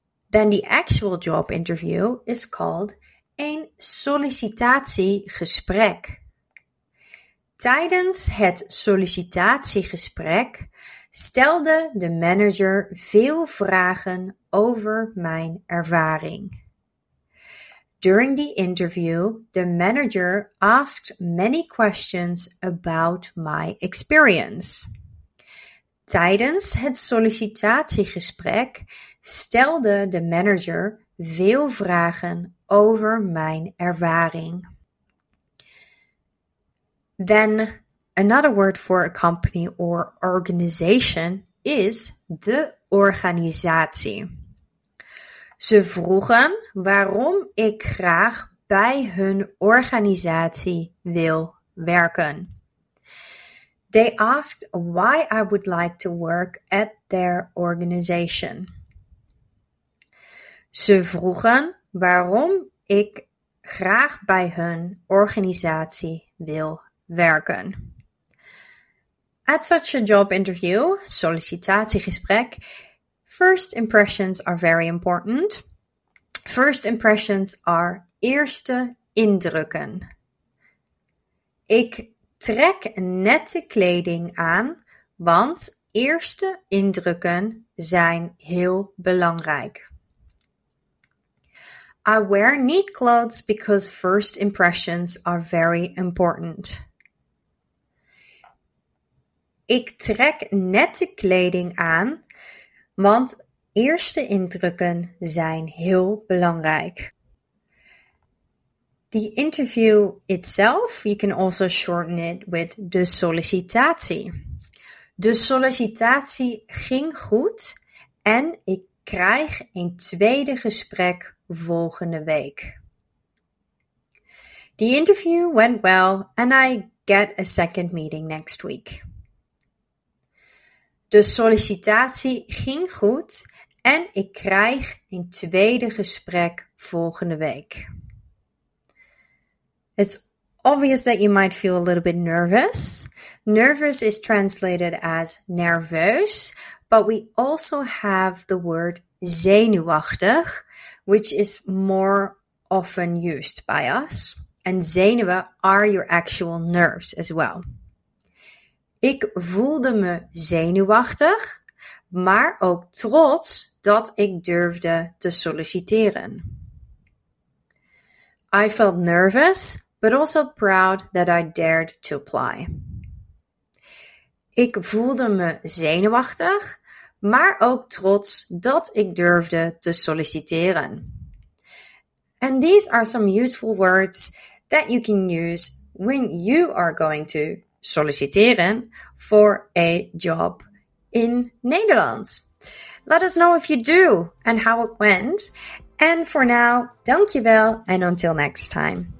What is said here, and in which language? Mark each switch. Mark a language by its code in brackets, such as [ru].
[en] Then the actual job interview is called een sollicitatiegesprek. [nl] Tijdens het sollicitatiegesprek stelde de manager veel vragen over mijn ervaring. [en] During the interview, the manager asked many questions about my experience. [nl] Tijdens het sollicitatiegesprek stelde de manager veel vragen over mijn ervaring. [en] Then, another word for a company or organization is de organisatie. [nl] Ze vroegen waarom ik graag bij hun organisatie wil werken. [en] They asked why I would like to work at their organization. [nl] Ze vroegen waarom ik graag bij hun organisatie wil werken. [en] At such a job interview, sollicitatiegesprek, first impressions are very important. First impressions are eerste indrukken. [nl] Ik trek nette kleding aan, want eerste indrukken zijn heel belangrijk. [en] I wear neat clothes because first impressions are very important. [nl] Ik trek nette kleding aan, want eerste indrukken zijn heel belangrijk. [en] The interview itself, you can also shorten it with de sollicitatie. [nl] De sollicitatie ging goed en ik krijg een tweede gesprek volgende week. [en] The interview went well and I get a second meeting next week. [nl] De sollicitatie ging goed en ik krijg een tweede gesprek volgende week. [en] It's obvious that you might feel a little bit nervous. Nervous is translated as nerveus, but we also have the word zenuwachtig, which is more often used by us. And zenuwen are your actual nerves as well. [nl] Ik voelde me zenuwachtig, maar ook trots dat ik durfde te solliciteren. [en] I felt nervous, but also proud that I dared to apply. [nl] Ik voelde me zenuwachtig, maar ook trots dat ik durfde te solliciteren. [en] And these are some useful words that you can use when you are going to solliciteren for a job in Nederland. Let us know if you do and how it went. And for now, dankjewel and until next time.